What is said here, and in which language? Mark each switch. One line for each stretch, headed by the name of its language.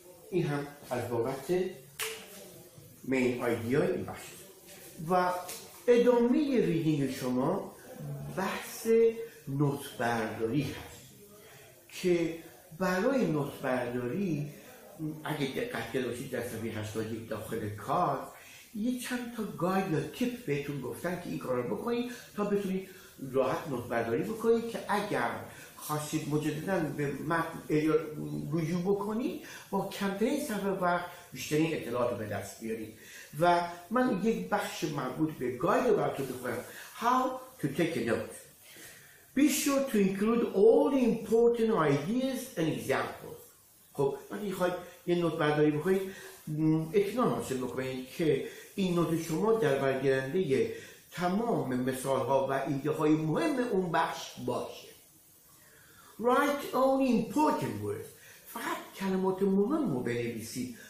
Persian: این هم از بابت مین آیدیای این بحث و ادامه ریدینگ شما بحث نوت‌برداری هست که برای نوت‌برداری اگه دقت کرده باشید در صفحه 81 داخل کار یه چند تا گاید یا تیپ بهتون گفتن که این کار رو بکنید تا بتونید راحت نوت‌برداری بکنید که اگر خواستید مجدداً به متن رجوع بکنید با کمترین صفحه وقت بیشترین اطلاعات رو به دست بیارید و من یک بخش مربوط به گاید رو براتون بخونم.
English: How to take a note. Be sure to include all the important ideas and examples.
Persian: خب من اگه خواهید یه نوت برداری بخواهید اطمینان حاصل بکنید که این نوت شما در برگیرنده تمام مثال ها و ایده های مهم اون بخش باشه.
English: Write only important words.
Persian: فقط کلمات مهم رو بنویسید.